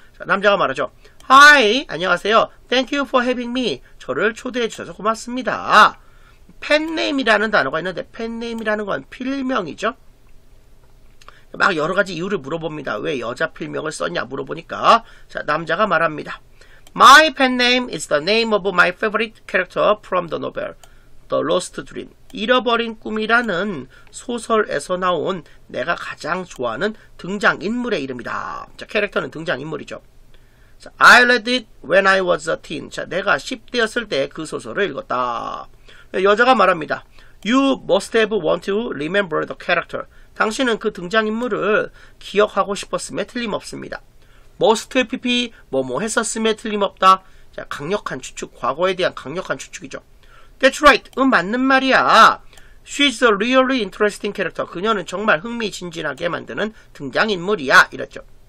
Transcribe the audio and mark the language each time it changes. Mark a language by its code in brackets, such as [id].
[ko] 자, 남자가 말하죠. [en] Hi, 안녕하세요. Thank you for having me. [ko] 저를 초대해 주셔서 고맙습니다. 팬네임이라는 단어가 있는데 팬네임이라는 건 필명이죠. 막 여러 가지 이유를 물어봅니다. 왜 여자 필명을 썼냐 물어보니까 자, 남자가 말합니다. [en] My pen name is the name of my favorite character from the novel The Lost Dream. [ko] 잃어버린 꿈이라는 소설에서 나온 내가 가장 좋아하는 등장 인물의 이름이다. 자, 캐릭터는 등장 인물이죠. [en] I read it when I was a teen. [ko] 자, 내가 10대였을 때 그 소설을 읽었다. 여자가 말합니다. [en] You must have wanted to remember the character. [ko] 당신은 그 등장인물을 기억하고 싶었음에 틀림없습니다. 머스트 피피 뭐뭐 했었음에 틀림없다. 자, 강력한 추측. 과거에 대한 강력한 추측이죠. [en] That's right. [ko] 맞는 말이야. [en] She's a really interesting character. [ko] 그녀는 정말 흥미진진하게 만드는 등장인물이야. 이랬죠.